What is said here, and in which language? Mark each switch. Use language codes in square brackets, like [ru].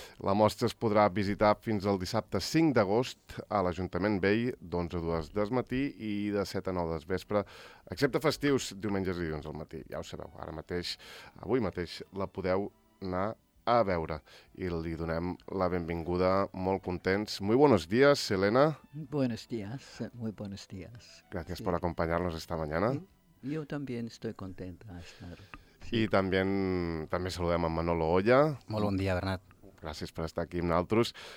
[ca] La mostra es podrà visitar fins al dissabte 5 d'agost a l'Ajuntament Vell d'11 a 2 del matí i de 7 a 9 del vespre, excepte festius, diumenges i dilluns al matí. Ja ho sabeu, ara mateix, avui mateix, la podeu anar a veure. I li donem la benvinguda, molt contents. [es] Muy buenos días, Elena. Buenos días, muy buenos días. Gracias sí. por acompañarnos esta mañana. Sí. Yo también estoy contenta de estar. Sí. [ca] I també saludem en Manolo Olla. Molt bon dia, Bernat. Gràcies per estar aquí amb nosaltres.